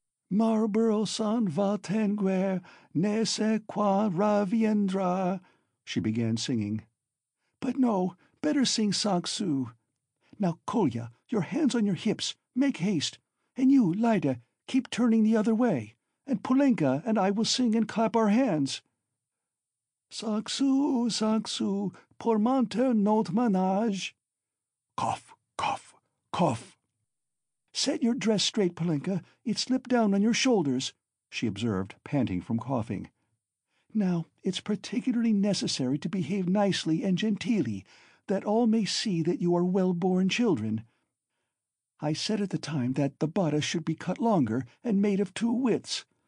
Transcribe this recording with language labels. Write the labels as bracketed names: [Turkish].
[French] Marlborough S'en va tanguer, ne sait quand reviendra, [English] she began singing. But no, better sing Cinq Sous. Now, Kolya, your hands on your hips, make haste, and you, Lyda, keep turning the other way, and Polenka and I will sing and clap our hands. [French] Cinq sous, cinq sous, pour monter notre ménage. [English] Cough, cough, cough. Set your dress straight, Polenka. It slipped down on your shoulders, she observed, panting from coughing. Now, it's particularly necessary to behave nicely and genteelly, that all may see that you are well-born children. I said at the time that the bodice should be cut longer and made of 2 widths.